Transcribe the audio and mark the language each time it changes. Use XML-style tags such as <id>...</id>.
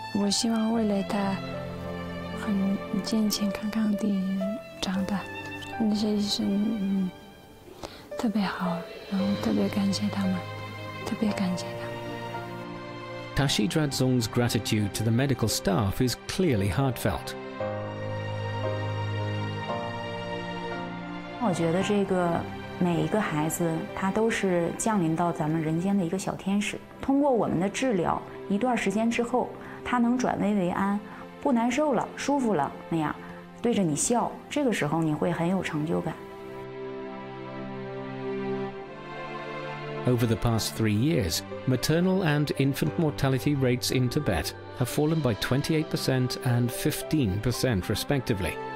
<zh>希望未来他很健健康康地长大。那些医生特别好，然后特别感谢他们，特别感谢他们。</zh> <en>Tashi Dradzong's gratitude to the medical staff is clearly heartfelt.</en> <zh>我觉得这个每一个孩子，他都是降临到咱们人间的一个小天使。通过我们的治疗，一段时间之后，他能转危为安，不难受了，舒服了，那样对着你笑，这个时候你会很有成就感。</zh> <en>Over the past 3 years, maternal and infant mortality rates in Tibet have fallen by 28% and 15% respectively.</en>